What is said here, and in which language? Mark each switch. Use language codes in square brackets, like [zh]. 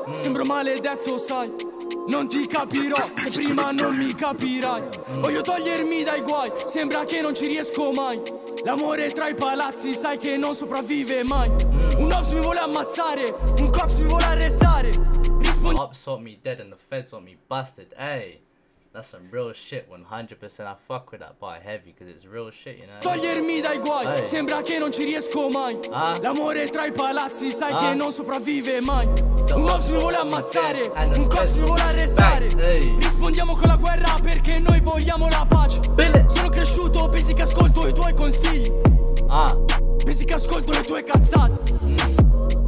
[it] Sembro maledetto, sai. Non ti capirò se prima non mi capirai. Voglio togliermi dai guai, sembra che non ci riesco mai. L'amore tra i palazzi, sai che non sopravvive mai. Un ops mi vuole ammazzare, un cops mi vuole arrestare. Rispondi. [en] Ops want me dead and the feds want me busted. Hey, that's some real shit. 100% I fuck with that bar heavy, cause it's real shit, you know. [it] Togliermi dai guai, hey. Sembra che non ci riesco mai. L'amore tra i palazzi, sai che non sopravvive mai. Un ops mi vuole ammazzare, un cops mi vuole arrestare. Rispondiamo con la guerra perché noi vogliamo la pace. Bene. Sono cresciuto, pensi che ascolto i tuoi consigli. Pensi che ascolto le tue cazzate.